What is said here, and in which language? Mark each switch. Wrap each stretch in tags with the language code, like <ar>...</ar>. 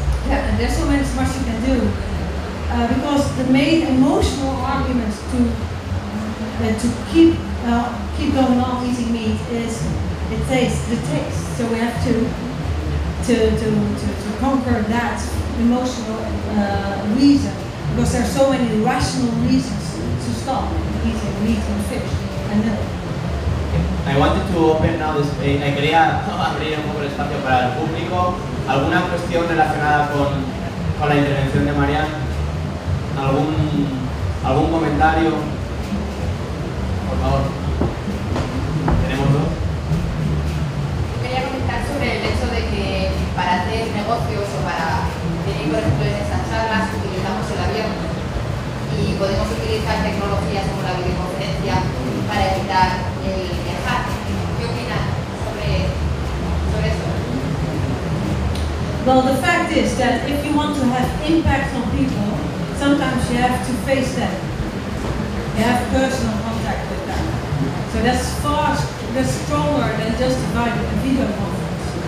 <en>And there's so much you can do. Because the main emotional argument to keep going on eating meat is the taste. So we have to conquer that emotional reason, because there are so many rational reasons to stop eating meat and fish and milk. I wanted to open now this.</en> <es>I quería abrir un poco el espacio para el público. ¿Alguna cuestión relacionada con la intervención de Marianne? ¿Algún comentario? Por favor. Tenemos dos. Yo quería comentar sobre el hecho de que para hacer negocios o para tener, por ejemplo, en estas charlas utilizamos el avión y podemos utilizar tecnologías como la videoconferencia para evitar el viajar. ¿Qué opinas sobre eso?</es> <en>Well, the fact is that if you want to have impact on people, sometimes you have to face them. You have personal contact with them. So that's stronger than just a video conference.</en>